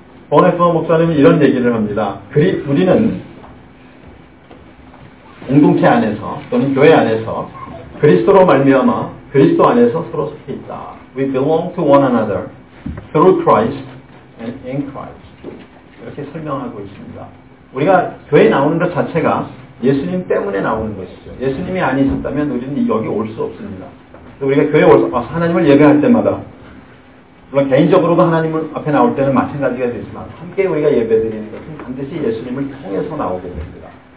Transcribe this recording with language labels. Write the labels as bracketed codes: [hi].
[ko] 보네퍼 목사님은 이런 얘기를 합니다. 우리는 공동체 안에서 또는 교회 안에서 그리스도로 말미암아 그리스도 안에서 서로 속해 있다. [en] We belong to one another through Christ and in Christ. [ko] 이렇게 설명하고 있습니다. 우리가 교회에 나오는 것 자체가 예수님 때문에 나오는 것이죠. 예수님이 아니셨다면 우리는 여기 올 수 없습니다. 우리가 교회에 와서 하나님을 예배할 때마다 물론 개인적으로도 하나님 앞에 나올 때는 마찬가지가 되지만 함께 우리가 예배드리는 것은 반드시 예수님을 통해서 나오게 됩니다.